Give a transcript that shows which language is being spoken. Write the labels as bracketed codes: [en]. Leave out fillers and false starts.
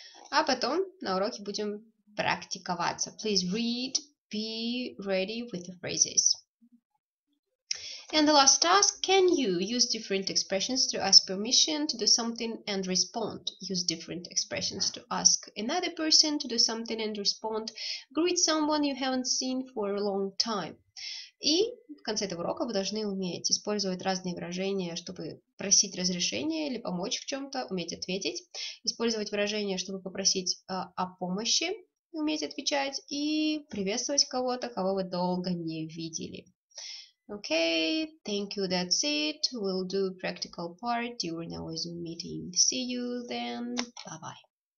[ru] А потом на уроке будем практиковаться. [en] Please read, be ready with the phrases. And the last task, can you use different expressions to ask permission to do something and respond? Use different expressions to ask another person to do something and respond. Greet someone you haven't seen for a long time. [ru] И в конце этого урока вы должны уметь использовать разные выражения, чтобы просить разрешения или помочь в чем-то, уметь ответить. Использовать выражения, чтобы попросить о помощи, уметь отвечать. И приветствовать кого-то, кого вы долго не видели. [en] Okay, thank you, that's it. We'll do practical part during our Zoom meeting. See you then. Bye-bye.